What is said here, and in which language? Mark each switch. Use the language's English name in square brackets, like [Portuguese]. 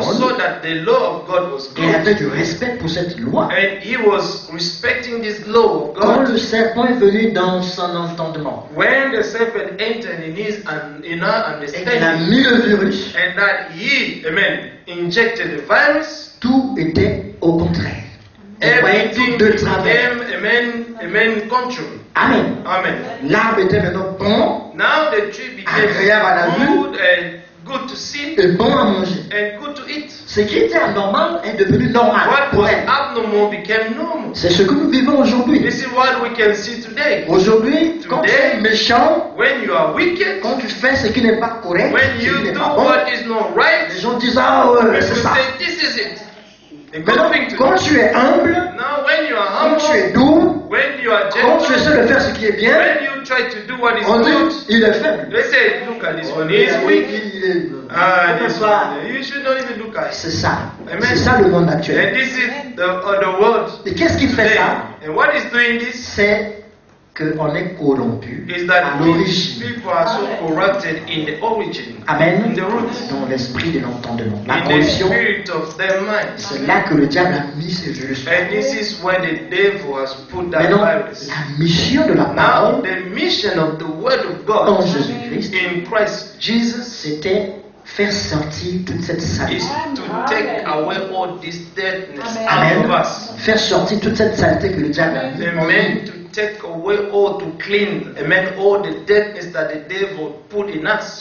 [English] who saw that the law of God was good, [French] et avait du respect pour cette loi, [English] and he was respecting this law of God. [French] Quand le serpent est venu dans son entendement, [English] when the serpent entered in his in our understanding, [French] et il a mis le virus, [English] and that he, amen, injected the virus, [French] tout était au contraire. [English] Everything [French] de travers. [English] Became, amen, amen, control. [French] Amen. [English] Amen. [French] L'arbre était maintenant bon. [English] Now the tree became [French] agréable à la [English] good [French] vue. [English] And good to see, [French] et bon à manger. [English] And good to eat. [French] Ce qui était anormal est devenu normal. [English] What was abnormal became normal. [French] C'est ce que nous vivons aujourd'hui. [English] This is what we can see today. [French] Aujourd'hui, quand tu es méchant, [English] when you are wicked, [French] quand tu fais ce qui n'est pas correct, [English] when you [French] ce qui [English] do [French] n'est pas [English] what [French] bon, [English] is not right, [French] les gens disent ah ouais, c'est ça. [English] Say, this is it. [French] Maintenant, quand tu es humble, [English] now, when you are humble, [French] quand tu es doux, [English] when you are gentle, [French] quand tu essaies de faire ce qui est bien, [English] when you try to do what is good, [French] on dit, il est faible. [English] Let's say, look at this one, he is weak. Ah, this one, you should not even look at it. [French] C'est ça. Amen. C'est ça le monde actuel. [English] And this is the world. [French] Et qu'est-ce qui fait ça? [English] And what is doing this? [French] C'est qu'on est corrompu à l'origine. [English] People are so corrupted in the origin. [French] Amen. [English] In the root. [French] Dans l'esprit de l'entendement. La [English] in [French] corruption. [English] The spirit of their mind. [French] C'est là que le diable a mis ses virus. [English] And this is where the devil has put that virus. [French] La mission de la parole. [English] Now, the mission of the word of God [French] en Jésus-Christ. [English] In Christ Jesus. [French] C'était faire sortir toute cette saleté. [English] Is to take away all this deadness. [French] Amen. [English] Out of us. [French] Faire sortir toute cette saleté que le diable a mis. [English] Amen. Take away all to clean, amen, all the deadness that the devil put in us.